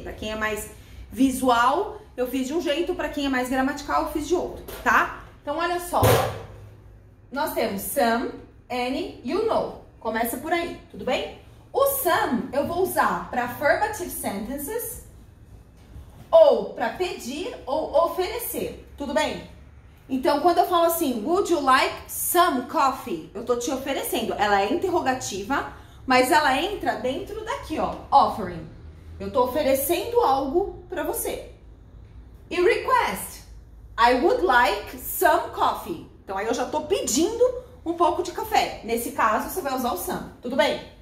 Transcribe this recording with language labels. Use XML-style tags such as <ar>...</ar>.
<pt>Para quem é mais visual, eu fiz de um jeito. Para quem é mais gramatical, eu fiz de outro, tá? Então, olha só. Nós temos</pt> <en>some, any, you know.</en> <pt>Começa por aí, tudo bem? O some eu vou usar para</pt> <en>affirmative sentences</en> <pt>ou para pedir ou oferecer, tudo bem? Então, quando eu falo assim,</pt> <en>would you like some coffee?</en> <pt>Eu tô te oferecendo. Ela é interrogativa, mas ela entra dentro daqui, ó.</pt> <en>Offering.</en> <pt>Eu tô oferecendo algo pra você. E request.</pt> <en>I would like some coffee.</en> <pt>Então, aí eu já tô pedindo um pouco de café. Nesse caso, você vai usar o some. Tudo bem?</pt>